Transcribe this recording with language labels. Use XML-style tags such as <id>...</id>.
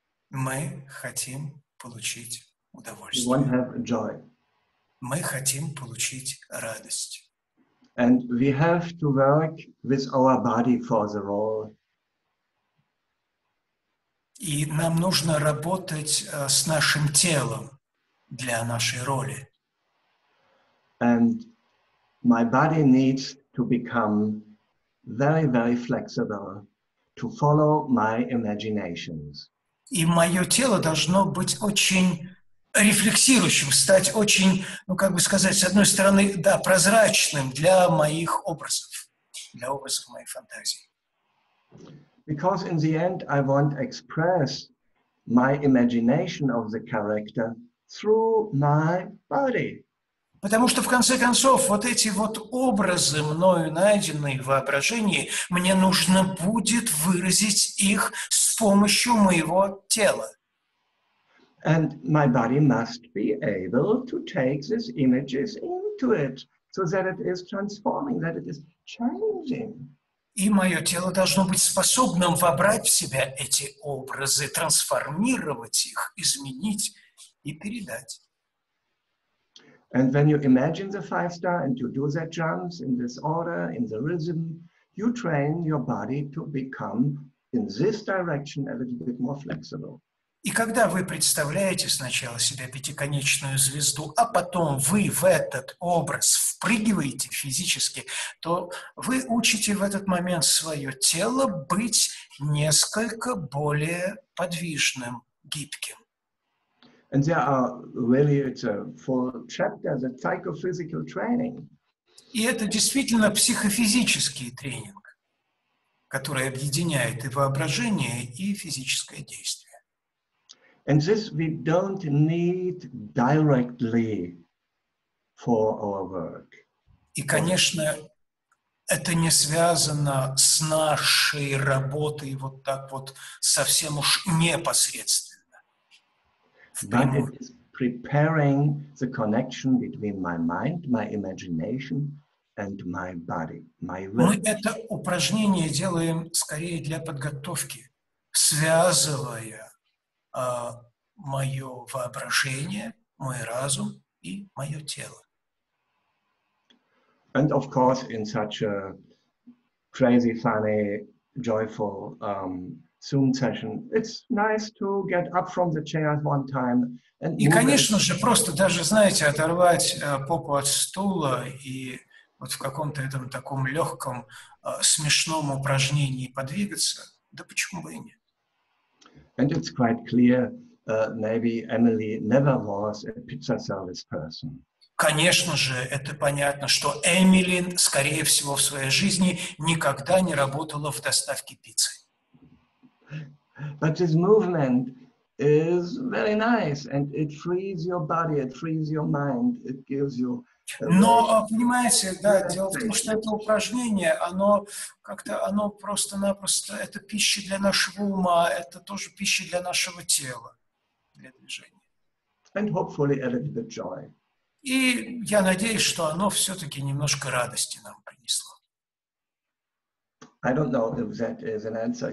<ru>Мы хотим получить удовольствие.</ru> <en>We won't have joy.</en> <ru>Мы хотим получить радость.</ru> <en>And we have to work with our body for the role.</en> <ru>И нам нужно работать с нашим телом для нашей роли.</ru> <en>And my body needs to become very, very flexible to follow my imaginations.</en> <ru>И мое тело должно быть очень рефлексирующим, стать очень, ну, как бы сказать, с одной стороны, да, прозрачным для моих образов. для образов моей фантазии.</ru> <en>Because in the end I want to express my imagination of the character through my body.</en> <ru>Потому что в конце концов вот эти вот образы мною найденные в воображении, мне нужно будет выразить их с помощью моего тела.</ru> <en>And my body must be able to take these images into it, so that it is transforming, that it is changing.</en> <ru>И мое тело должно быть способным вобрать в себя эти образы, трансформировать их, изменить и передать.</ru> <en>And when you imagine the five star and you do that jumps in this order, in the rhythm, you train your body to become in this direction a little bit more flexible.</en> <ru>И когда вы представляете сначала себя пятиконечную звезду, а потом вы в этот образ впрыгиваете физически, то вы учите в этот момент свое тело быть несколько более подвижным, гибким.</ru> <en>And there are really, it's a full chapter, the psychophysical training.</en> <ru>И это действительно психофизический тренинг, который объединяет и воображение, и физическое действие.</ru> <en>And this we don't need directly for our work.</en> <ru>И, конечно, это не связано с нашей работой вот так вот совсем уж непосредственно.</ru> <en>But it is preparing the connection between my mind, my imagination, and my body, my will.</en> <ru>Мы это упражнение делаем скорее для подготовки, связывая мое воображение, мой разум и мое тело.</ru> <en>And of course, in such a crazy, funny, joyful Zoom session, it's nice to get up from the chair one time and.</en> <ru>И, конечно же, просто даже, знаете, оторвать попу от стула и вот в каком-то этом таком легком смешном упражнении подвигаться. Да почему бы и нет?</ru> <en>And it's quite clear. Maybe Emily never was a pizza service person.</en> <ru>Конечно же, это понятно, что Эмили, скорее всего, в своей жизни никогда не работала в доставке пиццы.</ru> <en>But this movement is very nice, and it frees your body, it frees your mind, it gives you.</en> <ru>Но, понимаете, да, дело в том, что это упражнение, оно как-то, оно просто-напросто, это пища для нашего ума, это тоже пища для нашего тела.</ru> <en>And hopefully a little bit joy.</en> <ru>И я надеюсь, что оно все-таки немножко радости нам принесло.</ru> <en>I don't know if that is an answer.</en>